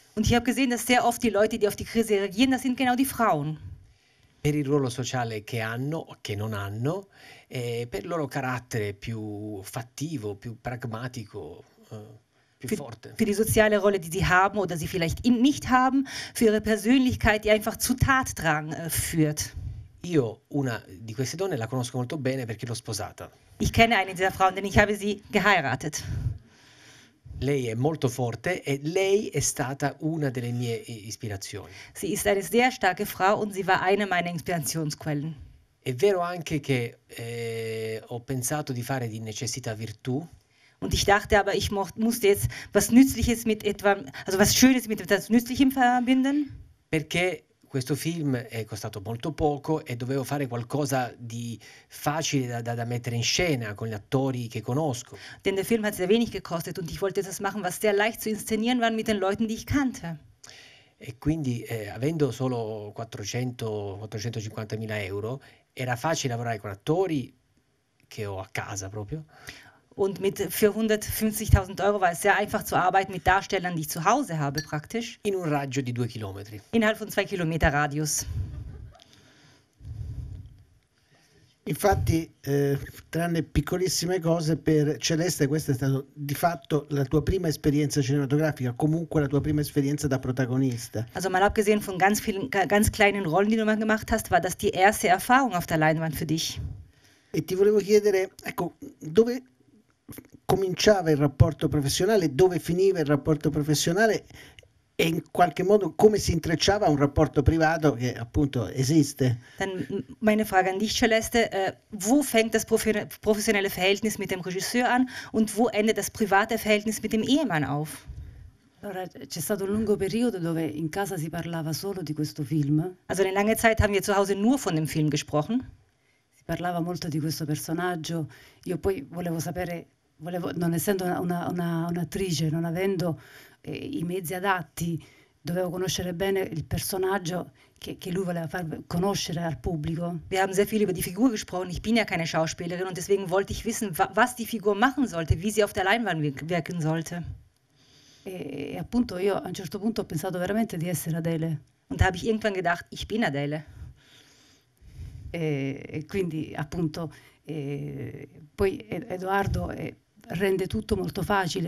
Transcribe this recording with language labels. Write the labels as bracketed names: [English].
[German] Und ich habe gesehen, dass sehr oft die Leute, die auf die Krise reagieren, das sind genau die Frauen. [Italian] Per il ruolo sociale che hanno o che non hanno, per il loro carattere più fattivo, più pragmatico, più forte. Per la [German] soziale rolle die sie haben oder sie vielleicht nicht haben, für ihre Persönlichkeit die einfach zu Tatdrang führt. [Italian] Io una di queste donne la conosco molto bene perché l'ho sposata. [German] Ich kenne eine dieser Frauen, denn ich habe sie geheiratet. [Italian] Lei è molto forte e lei è stata una delle mie ispirazioni. [German] Sie ist eine sehr starke Frau und sie war eine meiner Inspirationsquellen. [Italian] È vero anche che ho pensato di fare di necessità virtù. [German] Und ich dachte aber ich musste jetzt was nützliches mit etwa also was schönes mit etwas nützlichem verbinden. [Italian] Perché questo film è costato molto poco e dovevo fare qualcosa di facile da mettere in scena con gli attori che conosco. [German] Denn der Film hat sehr wenig gekostet und ich wollte etwas machen, was sehr leicht zu inszenieren war mit den Leuten, die ich kannte. [Italian] E quindi avendo solo 450.000 euro, era facile lavorare con attori che ho a casa proprio. [German] Und mit 450.000 Euro war es sehr einfach zu arbeiten mit Darstellern, die ich zu Hause habe, praktisch. [Italian] In un raggio di 2 chilometri. [German] Innerhalb von 2 Kilometer Radius. [Italian] Infatti, tranne piccolissime cose, per Celeste questa è stata di fatto la tua prima esperienza cinematografica, comunque la tua prima esperienza da protagonista. [German] Also mal abgesehen von ganz vielen, ganz kleinen Rollen, die du mal gemacht hast, war das die erste Erfahrung auf der Leinwand für dich. [Italian] E ti volevo chiedere, ecco, dove cominciava il rapporto professionale, dove finiva il rapporto professionale e in qualche modo come si intrecciava un rapporto privato che appunto esiste. [German] Dann meine Frage an dich, Celeste, wo fängt das professionelle Verhältnis mit dem Regisseur an und wo endet das private Verhältnis mit dem Ehemann auf? [Italian] Allora, c'è stato un lungo periodo dove in casa si parlava solo di questo film. [German] Also eine lange Zeit haben wir zu Hause nur von dem Film gesprochen. [Italian] Si parlava molto di questo personaggio. Io poi volevo sapere, non essendo un'attrice, non avendo i mezzi adatti, dovevo conoscere bene il personaggio che lui voleva far conoscere al pubblico. [German] Wir haben sehr viel über die Figur gesprochen. Ich bin ja keine Schauspielerin und deswegen wollte ich wissen, was die Figur machen sollte, wie sie auf der Leinwand wirken sollte. [Italian] E appunto io a un certo punto ho pensato veramente di essere Adele. [German] Und habe ich irgendwann gedacht, ich bin Adele. [Italian] E quindi appunto. Poi Edoardo rende tutto molto facile.